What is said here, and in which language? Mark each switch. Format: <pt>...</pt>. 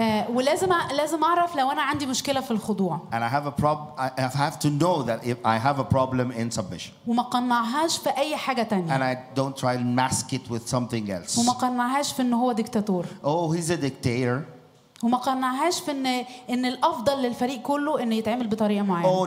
<ar>ولازم أعرف لو أنا عندي مشكلة في الخضوع.</ar> <en>And I have a problem. I have to know that if I have a problem in submission.</en> <ar>وما قنعهاش في أي حاجة تانية.</ar> <en>And I don't try to mask it with something else.</en> <ar>وما قنعهاش في إنه هو ديكتاتور.</ar> <en>Oh, he's a dictator.</en> <ar>وما قنعهاش في إن الأفضل للفريق كله إنه يتعامل بطريقة معينة.</ar>